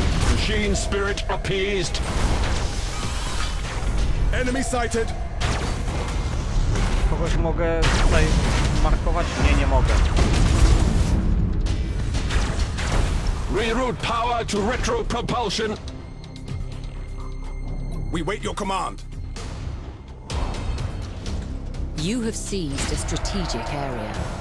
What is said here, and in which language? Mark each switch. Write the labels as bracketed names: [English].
[English] Machine spirit appeased. Enemy sighted. [Polish] Kogoś mogę tutaj markować? Nie, nie mogę. [English] Reroute power to retro propulsion. We wait your command. You have seized a strategic area.